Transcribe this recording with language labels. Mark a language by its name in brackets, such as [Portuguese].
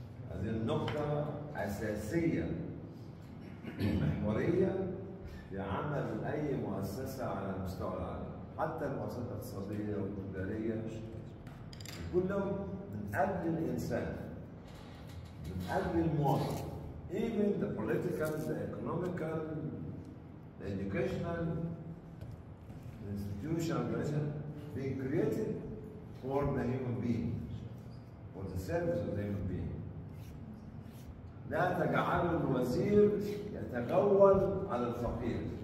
[Arabic] هذه النقطة أساسية محورية في عمل أي مؤسسة على مستوى العالم، حتى المؤسسات الاقتصادية والتجارية كلهم من أجل الإنسان، من أجل المواطن، [English] even the political, the economical, the educational. Institution organization being created for the human being, for the service of the human being. [Arabic] لا تجعل الوزير يتغول على الفقير.